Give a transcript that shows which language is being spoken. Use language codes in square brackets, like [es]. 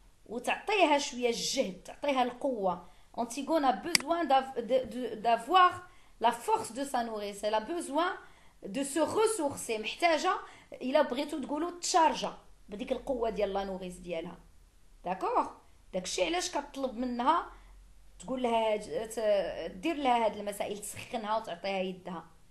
[ar] وتعطيها شوية الجهد، تعطيها القوة. [fr] أنتيغون a besoin d'avoir la force de sa nourrice. Elle a besoin de se ressourcer. [ar] محتاجة إلا بغيتو تقولو تشارجا بديك القوة ديال لا نوريس ديالها. داكوغ؟ داكشي علاش كطلب منها تقول لها دير لها هاد المسائل، تسخنها وتعطيها يدها.